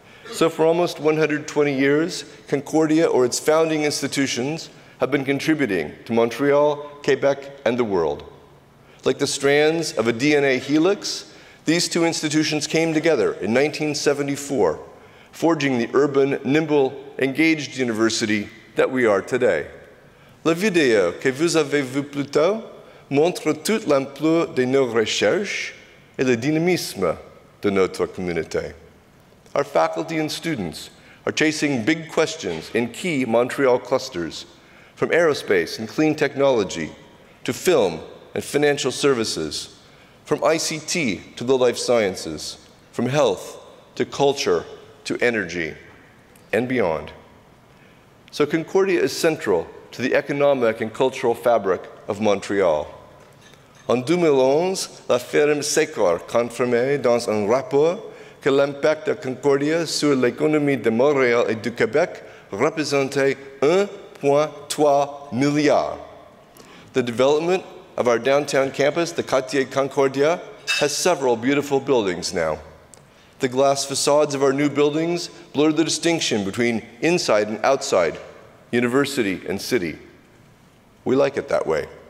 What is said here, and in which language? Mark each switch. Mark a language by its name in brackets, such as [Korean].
[English] So for almost 120 years, Concordia or its founding institutions have been contributing to Montreal, Quebec, and the world. Like the strands of a DNA helix, these two institutions came together in 1974, forging the urban, nimble, engaged university that we are today. [French] La vidéo que vous avez vue plus tôt montre toute l'ampleur de nos recherches et le dynamisme de notre communauté. [English] Our faculty and students are chasing big questions in key Montreal clusters, from aerospace and clean technology to film and financial services, from ICT to the life sciences, from health to culture to energy, and beyond. So Concordia is central to the economic and cultural fabric of Montreal. [French] En 2011, la firme Secor confirmait dans un rapport que l'impact de Concordia sur l'économie de Montréal et du Québec représentait 1.3 milliard. [English] The development of our downtown campus, the Quartier Concordia, has several beautiful buildings now. The glass facades of our new buildings blur the distinction between inside and outside, university and city. We like it that way.